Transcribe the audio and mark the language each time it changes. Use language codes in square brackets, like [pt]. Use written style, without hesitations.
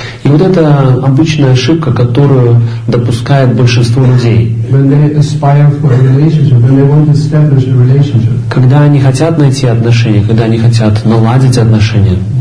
[ru] И вот это обычная ошибка, которую допускает большинство людей. [en] When they aspire for a relationship, when they want to establish a relationship. [ru] Когда они хотят найти отношения, когда они хотят наладить отношения.